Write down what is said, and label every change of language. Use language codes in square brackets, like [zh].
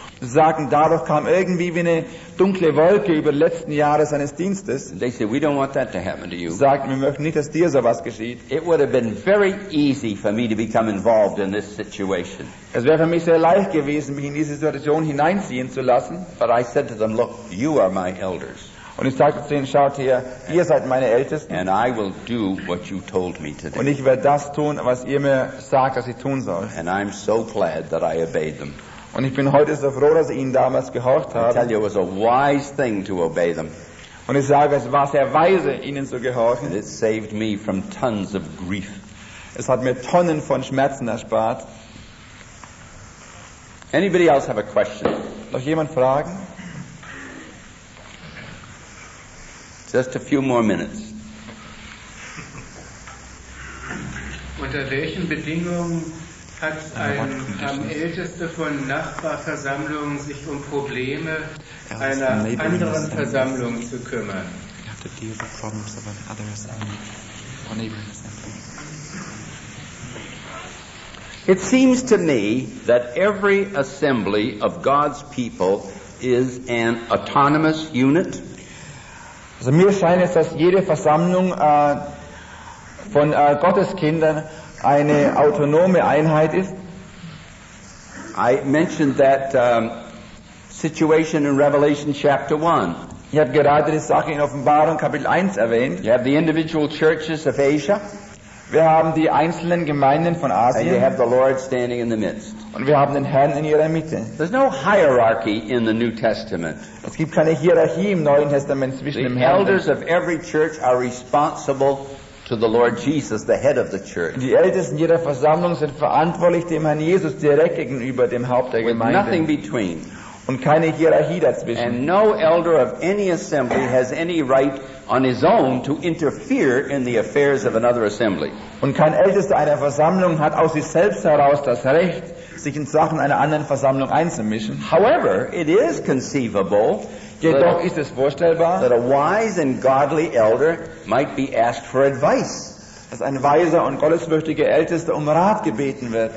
[de] Sie sagten, dadurch kam irgendwie wie eine dunkle Wolke über die letzten Jahre seines Dienstes. [en] They said, we don't want that to happen to you. [de] Sie sagten, wir möchten nicht, dass dir sowas geschieht. [en] It would have been very easy for me to become involved in this situation. [de] Es wäre für mich sehr leicht gewesen, mich in diese Situation hineinziehen zu lassen. [en] But I said to them, look, you are my elders. [de] Und ich sagte zu ihnen, schaut hier, ihr seid meine Ältesten. [en] And I will do what you told me today. [de] Und ich werde das tun, was ihr mir sagt, dass ich tun soll. [en] And I'm so glad that I obeyed them. [de] Und ich bin heute so froh, dass ich ihnen damals gehorcht habe. [en] I tell you, it was a wise thing to obey them. [de] Und ich sage, es war sehr weise, ihnen zu gehorchen. [en] And it saved me from tons of grief. [de] Es hat mir Tonnen von Schmerzen erspart. [en] Anybody else have a question? [de] Noch jemand Fragen? [en] Just a few more minutes. [de] Unter welchen Bedingungen haben Älteste von Nachbarversammlungen sich um Probleme einer anderen Versammlung zu kümmern? [en] to deal with problems of another assembly or neighboring assembly. It seems to me that every assembly of God's people is an autonomous unit. [de] Also mir scheint es, dass jede Versammlung von Gottes Kindern eine autonome Einheit ist. [en] I mentioned that situation in Revelation chapter 1. [de] Ich habe gerade die Sache in Offenbarung Kapitel 1 erwähnt. [en] You have the individual churches of Asia. [de] Wir haben die einzelnen Gemeinden von Asien. [en] And you have the Lord standing in the midst. [de] Und wir haben den Herrn in ihrer Mitte. [en] There's no hierarchy in the New Testament. [de] Es gibt keine Hierarchie im Neuen Testament zwischen dem Herrn. [en] Elders of every church are responsible to the Lord Jesus, the head of the church. [de] Die Ältesten jeder Versammlung sind verantwortlich dem Herrn Jesus direkt gegenüber dem Haupt der Gemeinde. [en] With nothing between. [de] Und keine Hierarchie dazwischen. [en] And no elder of any assembly has any right on his own to interfere in the affairs of another assembly. [de] Und kein Ältester einer Versammlung hat aus sich selbst heraus das Recht, sich in Sachen einer anderen Versammlung einzumischen. [en] However, it is conceivable. [de] Jedoch ist es vorstellbar, [en] that a wise and godly elder might be asked for advice. [de] Dass ein weiser und gottesfürchtiger Ältester um Rat gebeten wird.